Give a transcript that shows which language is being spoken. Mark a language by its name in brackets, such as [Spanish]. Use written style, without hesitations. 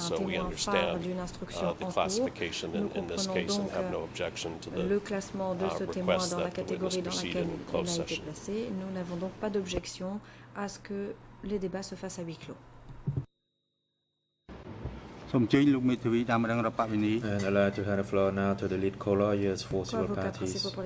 [English] So we understand the classification in this case and have no objection to the request that the witness proceed in closed session. [French] Nous n'avons donc pas d'objection à ce que les débats se fassent à huis clos. [English] And I'd like to hand the floor now to the lead co-lawyers for civil parties.